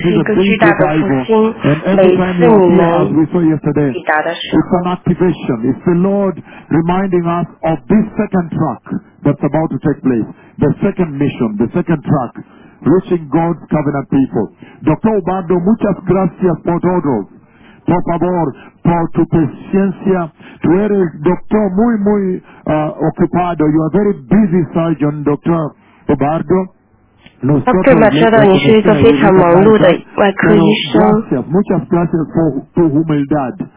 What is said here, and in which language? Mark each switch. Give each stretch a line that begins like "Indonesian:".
Chinese: 是一个巨大的复兴，每次我们抵达的时候
English: It's the Lord reminding us of this second track that's about to take place, the second mission, the second track, reaching God's covenant people. Dr.
Spanish: Obando, muchas gracias por todo. Por favor, por tu paciencia. Tu eres doctor muy, muy ocupado.
English: You are very busy surgeon, Dr. Obando. Dr.
Chinese: Machado, 你是一个非常忙碌的外科医生。
Spanish: Gracias, muchas gracias por tu humildad.